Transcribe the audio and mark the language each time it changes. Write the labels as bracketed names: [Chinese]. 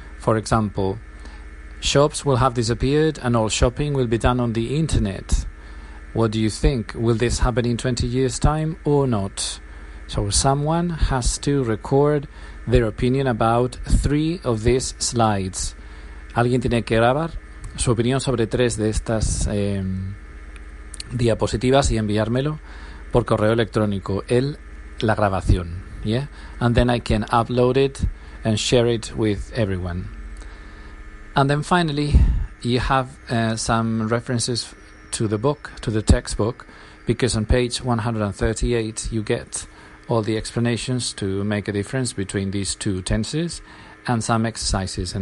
[English] For example, shops will have disappeared and all shopping will be done on the internet. What do you think? Will this happen in 20 years' time or not? So someone has to record their opinion about three of these slides. [Spanish] Alguien tiene que grabar su opinión sobre tres de estas diapositivas y enviármelo por correo electrónico. La grabación, yeah? [English] And then I can upload it and share it with everyone. And then finally, you have some references to the book, to the textbook, because on page 138 you get all the explanations to make a difference between these two tenses and some exercises.